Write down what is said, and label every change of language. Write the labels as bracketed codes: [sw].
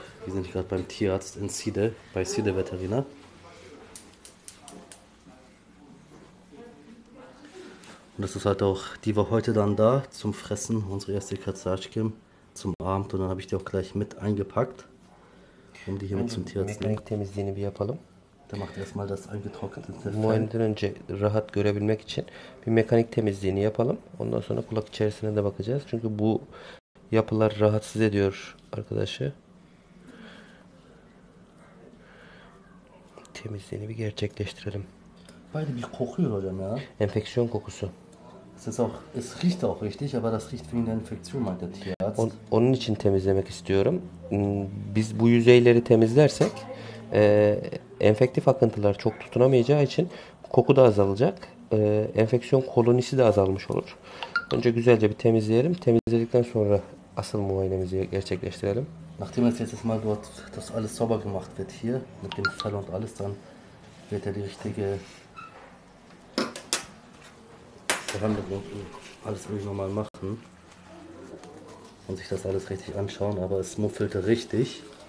[de] Wir sind gerade beim Tierarzt in Siede, bei Siede Veterina. Und das ist halt auch, die war heute dann da zum Fressen, unsere erste Katze Aşkım, zum Abend. Und dann habe ich die auch gleich mit eingepackt, um die hier mit zum Tierarzt zu nehmen. Der macht erstmal das eingetrocknete Fell. [tr] Muayeneden önce rahat görebilmek için bir mekanik temizliğini yapalım. Ondan sonra kulak içerisine de bakacağız. Çünkü bu yapılar rahatsız ediyor arkadaşı. Temizliğini bir gerçekleştirelim. Beide bir kokuyor hocam ya. Enfeksiyon kokusu. [de] Es riecht auch richtig, aber das riecht wie eine Infektion, meint der Tierarzt. [tr] Onun için temizlemek istiyorum. Biz bu yüzeyleri temizlersek enfektif akıntılar çok tutunamayacağı için koku da azalacak. Enfeksiyon kolonisi de azalmış olur. Önce güzelce bir temizleyelim. Temizledikten sonra asıl muayenemizi gerçekleştirelim. [de] Nachdem es jetzt mal dort das alles sauber gemacht wird hier mit dem Salon und alles, dann wird die richtige Behandlung alles irgendwie nochmal machen und sich das alles richtig anschauen, aber es muffelte richtig.